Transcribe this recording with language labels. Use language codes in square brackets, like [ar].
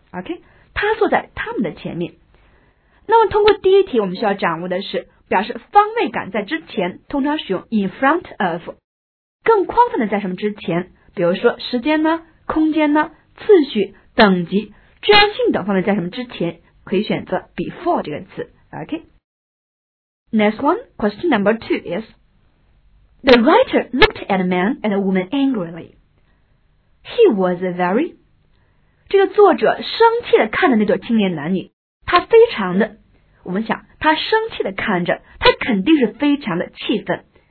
[zh] OK, 他坐在他们的前面。那么通过第一题，我们需要掌握的是表示方位感在之前通常使用 in front of, 更宽泛的在什么之前，比如说时间呢、空间呢、次序、等级、重要性等方面在什么之前，可以选择 before 这个词。 [en] OK, Next one, question number two is The writer looked at a man and a woman angrily. [zh] He was very 这个作者生气的看着那对青年男女，他非常的，我们想他生气的看着，他肯定是非常的气愤。